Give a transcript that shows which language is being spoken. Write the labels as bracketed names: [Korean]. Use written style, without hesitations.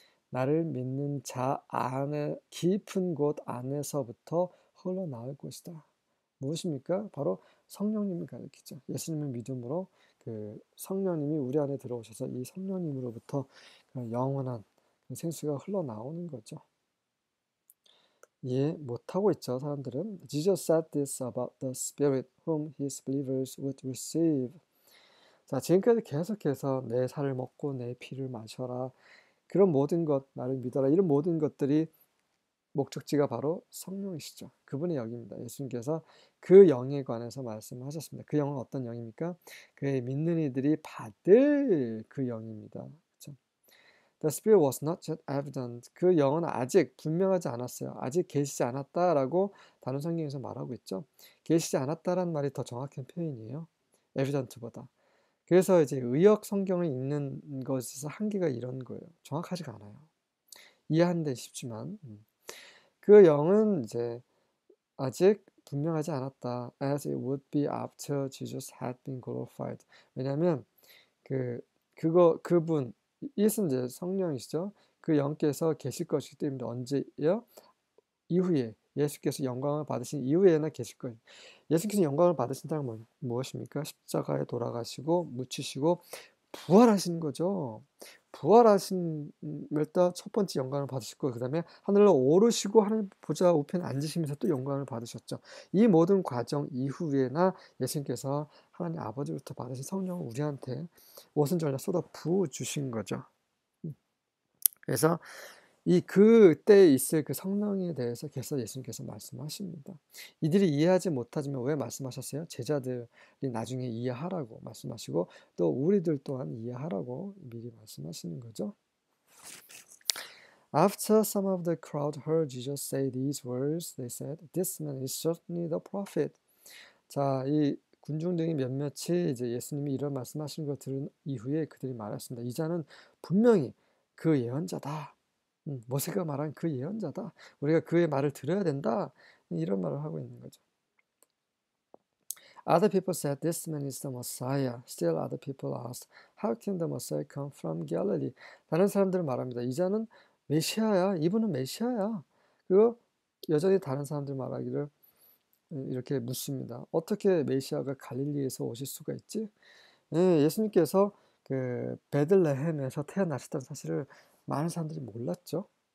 [Korean] 나를 믿는 자 안에, 깊은 곳 안에서부터 흘러나올 것이다. 무엇입니까? 바로 성령님이 가르치죠. 예수님을 믿음으로 그 성령님이 우리 안에 들어오셔서 이 성령님으로부터 영원한 생수가 흘러나오는 거죠. 이해 못하고 있죠, 사람들은. [English] Jesus said this about the Spirit whom his believers would receive. [Korean] 자, 지금까지 계속해서 내 살을 먹고 내 피를 마셔라. 그런 모든 것, 나를 믿어라. 이런 모든 것들이 목적지가 바로 성령이시죠. 그분의 영입니다. 예수님께서 그 영에 관해서 말씀하셨습니다. 그 영은 어떤 영입니까? 그의 믿는 이들이 받을 그 영입니다. 그렇죠? [English] The Spirit was not yet evident. [Korean] 그 영은 아직 분명하지 않았어요. 아직 계시지 않았다라고 다른 성경에서 말하고 있죠. 계시지 않았다라는 말이 더 정확한 표현이에요. Evident보다. 그래서 이제 의역 성경을 읽는 것에서 한계가 이런 거예요. 정확하지가 않아요. 이해하는 데 쉽지만. 그 영은 이제 아직 분명하지 않았다. [English] As it would be after Jesus had been glorified. [Korean] 왜냐하면 그분, 이는 이제 성령이시죠. 그 영께서 계실 것이기 때문에 언제요? 이후에 예수께서 영광을 받으신 이후에나 계실 거예요. 예수께서 영광을 받으신다는 건 무엇입니까? 십자가에 돌아가시고 묻히시고 부활하신 거죠. 부활하심을 따 첫 번째 영광을 받으시고 그다음에 하늘로 오르시고 하늘 보좌 우편에 앉으시면서 또 영광을 받으셨죠. 이 모든 과정 이후에나 예수님께서 하나님 아버지부터 받으신 성령을 우리한테 오순절날 쏟아 부어주신 거죠. 그래서 이 그때 있을 그 성령에 대해서 계속 예수님께서 말씀하십니다. 이들이 이해하지 못하지만 왜 말씀하셨어요? 제자들이 나중에 이해하라고 말씀하시고 또 우리들 또한 이해하라고 미리 말씀하시는 거죠. [English] After some of the crowd heard Jesus say these words, they said, "This man is certainly the prophet." [Korean] 자, 이 군중 등이 몇몇이 이제 예수님이 이런 말씀하신 걸 들은 이후에 그들이 말했습니다. 이 자는 분명히 그 예언자다. 모세가 말한 그 예언자다. 우리가 그의 말을 들어야 된다. 이런 말을 하고 있는 거죠. [English] Other people said this man is the Messiah. Still other people asked, how can the Messiah come from Galilee? [Korean] 다른 사람들은 말합니다. 이자는 메시아야. 이분은 메시아야. 그리고 여전히 다른 사람들 말하기를 이렇게 묻습니다. 어떻게 메시아가 갈릴리에서 오실 수가 있지? 예수님께서 베들레헴에서 태어나셨다는 사실을 많은 사람들이 몰랐죠.